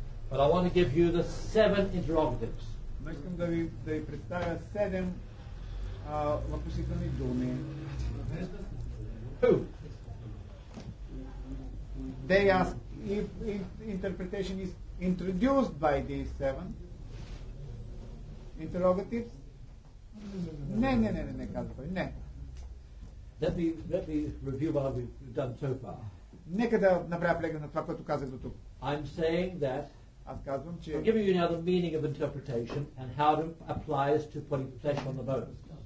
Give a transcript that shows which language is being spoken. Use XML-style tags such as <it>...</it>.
<en>But I want to give you the seven interrogatives.</en> <bg>Но искам да ви представя седем въпросителни думи.</bg> <en>Who? They ask if interpretation is introduced by these seven interrogatives.</en> <bg>Не, казва не.</bg> <en>Let me review what we've done so far.</en> <bg>Нека да направя преглед на това, което казах до тук.</bg> <en>I'm saying that.</en> <bg>Аз казвам, че</bg> <en>I'm giving you now the meaning of interpretation and how it applies to putting flesh on the bones.</en>